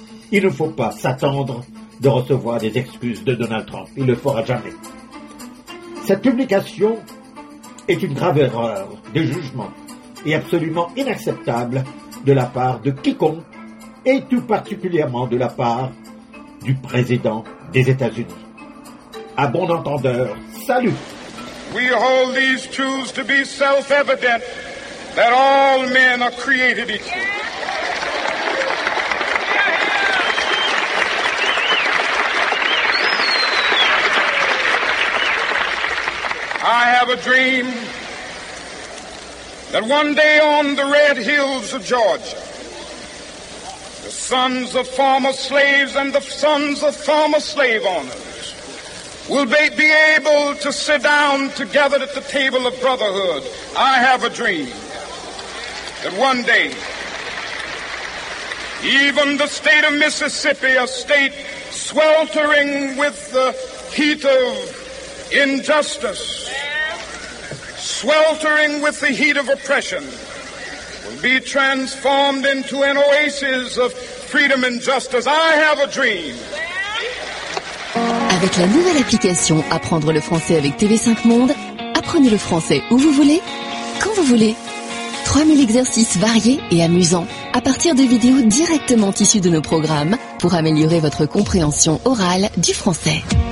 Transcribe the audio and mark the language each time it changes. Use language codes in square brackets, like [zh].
[fr] Il ne faut pas s'attendre de recevoir des excuses de Donald Trump. Il ne le fera jamais. Cette publication est une grave erreur de jugement et absolument inacceptable de la part de quiconque, et tout particulièrement de la part du président des États-Unis. À bon entendeur, salut. [en] We hold these truths to be self-evident that all men are created equal. Yeah. I have a dream that one day on the red hills of Georgia, the sons of former slaves and the sons of former slave owners will be able to sit down together at the table of brotherhood. I have a dream that one day even the state of Mississippi, a state sweltering with the heat of injustice, sweltering with the heat of oppression, will be transformed into an oasis of freedom and justice. I have a dream. [fr] Avec la nouvelle application Apprendre le français avec TV5 Monde, apprenez le français où vous voulez, quand vous voulez. 3000 exercices variés et amusants à partir de vidéos directement issues de nos programmes pour améliorer votre compréhension orale du français.